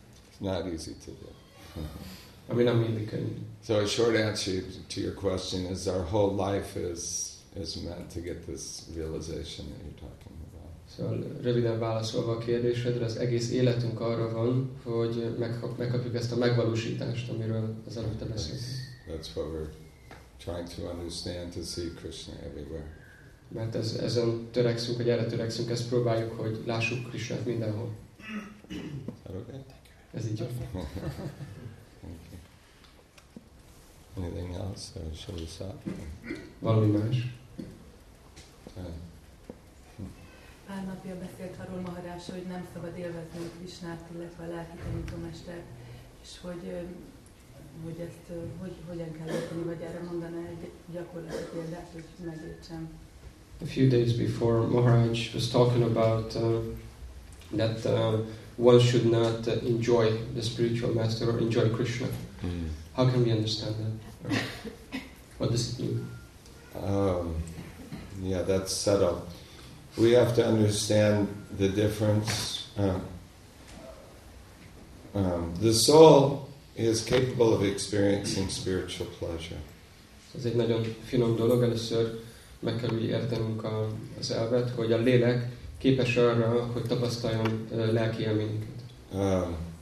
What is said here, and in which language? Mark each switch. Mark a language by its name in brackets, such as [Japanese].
[English] It's not easy to do. [Hungarian] Ami nem mindig könnyű. [English] So a short answer to your question is our whole life is meant to get this realization that you're talking about. [Hungarian] Szóval röviden válaszolva a kérdésedre, az egész életünk arra van, hogy megkapjuk ezt a megvalósítást, amiről az előtte beszélsz. [English] That's what we're trying to understand, to see Krishna everywhere. [Hungarian] Mert ezen törekszünk, vagy erre törekszünk, ezt próbáljuk, hogy lássuk Krishnát mindenhol. [English] Is that okay? Thank you. [Hungarian] Ez így jó. [English] Anything else? Or should we stop? [Hungarian] Valami más. Pár napja beszélt arról Maharaj, hogy nem szabad élvezni a Krisnát, illetve a lelki tanítómestert, és hogy ezt hogyan kell érteni, vagy erre mondaná egy gyakorlati példát, hogy megértsem. [English] A few days before, Maharaj was talking about that one should not enjoy the spiritual master or enjoy Krishna. How can we understand that? What does it mean? Yeah, that's subtle. We have to understand the difference. The soul is capable of experiencing spiritual pleasure. [Hungarian] Ez egy nagyon finom dolog. Először meg kell úgy értenünk az elvet, hogy a lélek képes arra, hogy tapasztaljon lelki élményeket.